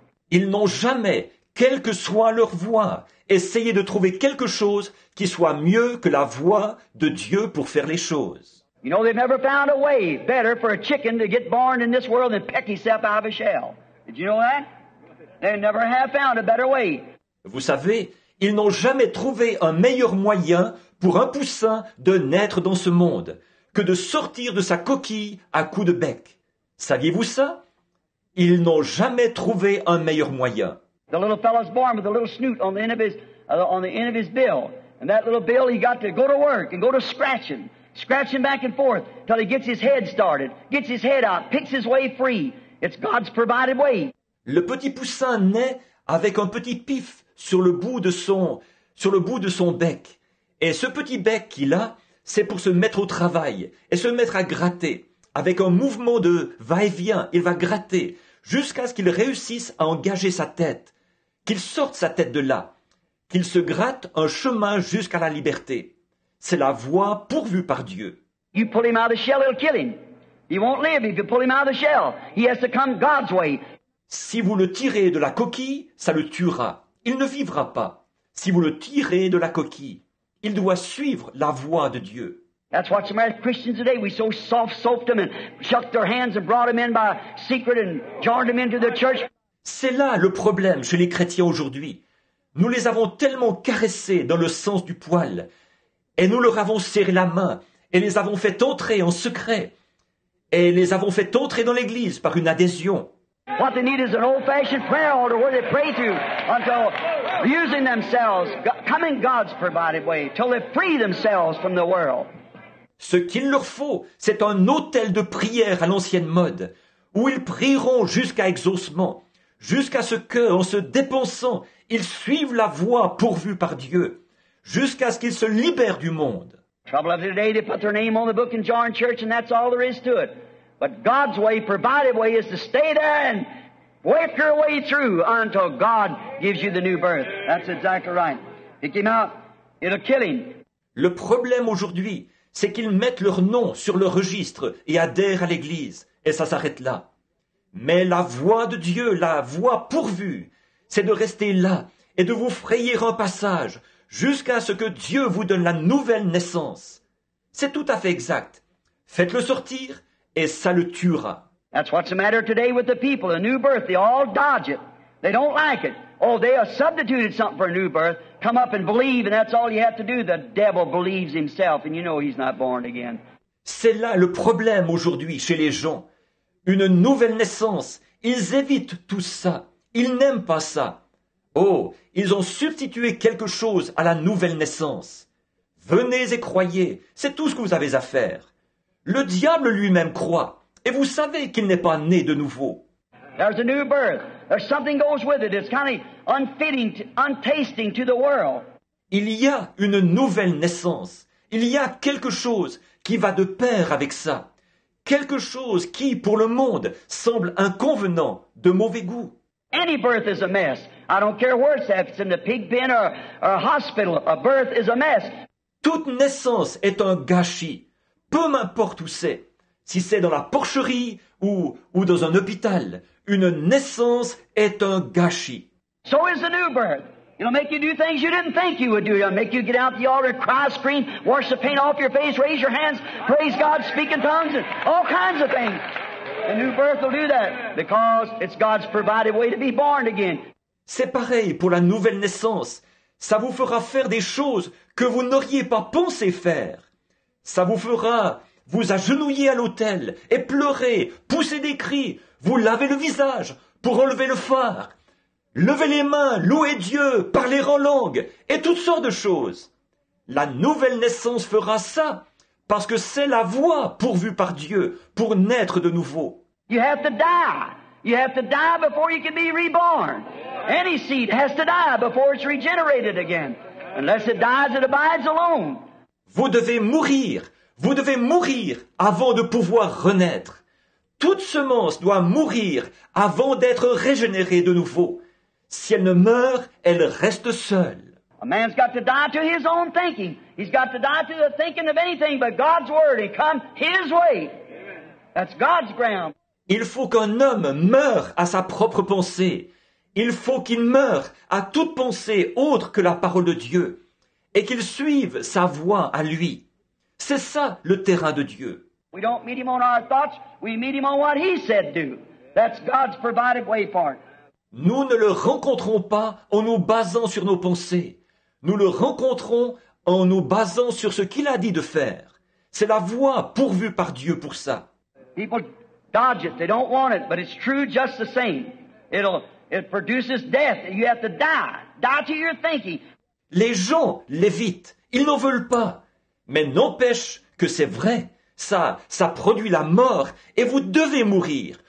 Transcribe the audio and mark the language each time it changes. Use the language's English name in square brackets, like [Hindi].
[French] Ils n'ont jamais, quelle que soit leur voie, essayé de trouver quelque chose qui soit mieux que la voie de Dieu pour faire les choses. [English] You know, they've never found a way better for a chicken to get born in this world than peck himself out of a shell. Did you know that? They never have found a better way. [French] Vous savez, ils n'ont jamais trouvé un meilleur moyen pour un poussin de naître dans ce monde que de sortir de sa coquille à coups de bec. Saviez-vous ça? Ils n'ont jamais trouvé un meilleur moyen. [English] The little fellow's born with a little snoot on the end of his bill, and that little bill he got to go to work and go to scratching. Scratching back and forth till he gets his head started, gets his head out, picks his way free. It's God's provided way. [French] Le petit poussin naît avec un petit pif sur le bout de son bec. Et ce petit bec qu'il a, c'est pour se mettre au travail et se mettre à gratter. Avec un mouvement de va-et-vient, il va gratter jusqu'à ce qu'il réussisse à engager sa tête, qu'il sorte sa tête de là, qu'il se gratte un chemin jusqu'à la liberté. C'est la voie pourvue par Dieu. [English] You pull him out of the shell, it'll kill him. He won't live if you pull him out of the shell. He has to come God's way. [French] Si vous le tirez de la coquille, ça le tuera. Il ne vivra pas. Si vous le tirez de la coquille, il doit suivre la voie de Dieu. [English] That's what some Christians today we so soft soaped them and shucked their hands and brought them in by secret and joined them into the church. [French] C'est là le problème chez les chrétiens aujourd'hui. Nous les avons tellement caressés dans le sens du poil. Et nous leur avons serré la main et les avons fait entrer en secret. Et les avons fait entrer dans l'église par une adhésion. [English] What they need is an old-fashioned prayer order where they pray to until using themselves, coming God's provided way, till they free themselves from the world. [French] Ce qu'il leur faut, c'est un autel de prière à l'ancienne mode, où ils prieront jusqu'à exaucement, jusqu'à ce que, en se dépensant, ils suivent la voie pourvue par Dieu, jusqu'à ce qu'ils se libèrent du monde. [English] Trouble of today, they put their name on the book and join church, and that's all there is to it. But God's way, provided way, is to stay there and work your way through until God gives you the new birth. That's exactly right. Pick him out, it'll kill him. [French] Le problème aujourd'hui, c'est qu'ils mettent leur nom sur le registre et adhèrent à l'Église, et ça s'arrête là. Mais la voie de Dieu, la voie pourvue, c'est de rester là et de vous frayer un passage jusqu'à ce que Dieu vous donne la nouvelle naissance. C'est tout à fait exact. Faites-le sortir et ça le tuera. [English] That's what's the matter today with the people, a new birth. They all dodge it. They don't like it. Oh, they have substituted something for a new birth. Come up and believe, and that's all you have to do. The devil believes himself, and you know he's not born again. [French] C'est là le problème aujourd'hui chez les gens. Une nouvelle naissance. Ils évitent tout ça. Ils n'aiment pas ça. Oh, ils ont substitué quelque chose à la nouvelle naissance. Venez et croyez. C'est tout ce que vous avez à faire. Le diable lui-même croit. Et vous savez qu'il n'est pas né de nouveau. [English] There's a new birth. There's something goes with it. It's kind of unfitting, untasting to the world. [French] Il y a une nouvelle naissance. Il y a quelque chose qui va de pair avec ça. Quelque chose qui, pour le monde, semble inconvenant, de mauvais goût. [English] Any birth is a mess. I don't care where it's at. If it's in the pig pen or a hospital, a birth is a mess. [French] Toute naissance est un gâchis. Peu m'importe où c'est. Si c'est dans la porcherie ou dans un hôpital, une naissance est un gâchis. [English] So is a new birth. It'll make you do things you didn't think you would do. It'll make you get out the altar, cry, scream, wash the paint off your face, raise your hands, praise God, speak in tongues, and all kinds of things. A new birth will do that because it's God's provided way to be born again. [French] C'est pareil pour la nouvelle naissance. Ça vous fera faire des choses que vous n'auriez pas pensé faire. Ça vous fera vous agenouiller à l'autel et pleurer, pousser des cris, vous laver le visage pour enlever le fard, lever les mains, louer Dieu, parler en langue et toutes sortes de choses. La nouvelle naissance fera ça parce que c'est la voie pourvue par Dieu pour naître de nouveau. [English] You have to die. You have to die before you can be reborn. Any seed has to die before it's regenerated again. Unless it dies, it abides alone. [French] Vous devez mourir. Vous devez mourir avant de pouvoir renaître. Toute semence doit mourir avant d'être régénérée de nouveau. Si elle ne meurt, elle reste seule. [English] A man's got to die to his own thinking. He's got to die to the thinking of anything but God's word. It comes his way. That's God's ground. [French] Il faut qu'un homme meure à sa propre pensée. Il faut qu'il meure à toute pensée autre que la parole de Dieu et qu'il suive sa voie à lui. C'est ça le terrain de Dieu. [English] We don't meet him on our thoughts, we meet him on what he said do. That's God's provided way for it. [French] Nous ne le rencontrons pas en nous basant sur nos pensées. Nous le rencontrons en nous basant sur ce qu'il a dit de faire. C'est la voie pourvue par Dieu pour ça. [English] People dodge it, they don't want it, but it's true just the same. It produces death. You have to die. Die to your thinking. [French] Les gens l'évitent. Ils n'en veulent pas. Mais n'empêche que c'est vrai. Ça produit la mort. Et vous devez mourir.